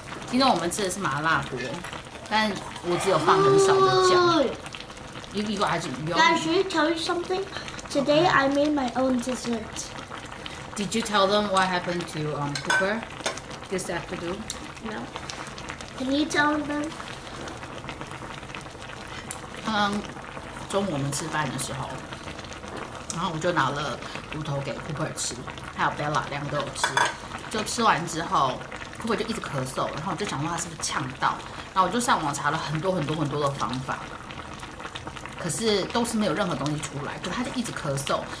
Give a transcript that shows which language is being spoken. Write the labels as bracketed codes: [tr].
[zh] 今天我们吃的是麻辣锅但我只有放很少的酱 [ko] 이거이거아직 [en] 요 Guys, should I tell you something? Today I made my own dessert. Did you tell them what happened to Cooper this afternoon? No. Can you tell them? [zh] 刚刚中午我们吃饭的时候，然后我就拿了骨头给 Cooper 吃，还有 Bella 两个都有吃。就吃完之后 ，Cooper 就一直咳嗽，然后我就想说他是不是呛到，然后我就上网查了很多很多很多的方法，可是都是没有任何东西出来，就他就一直咳嗽。